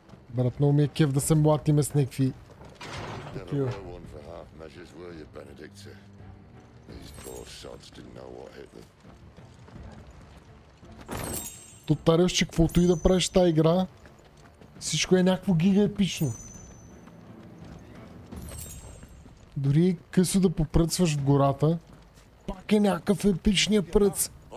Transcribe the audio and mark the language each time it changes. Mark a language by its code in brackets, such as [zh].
[bg] Брат, много ми е кеф да се млатиме с някакви [en] you. No one for half measures, were you, Benedicta? These poor sods didn't know what hit them. [bg] Повтаряш, че каквото и да правиш тази игра, всичко е някакво гига епично. Дори късо да попръцваш в гората, пак е някакъв епичния пръц.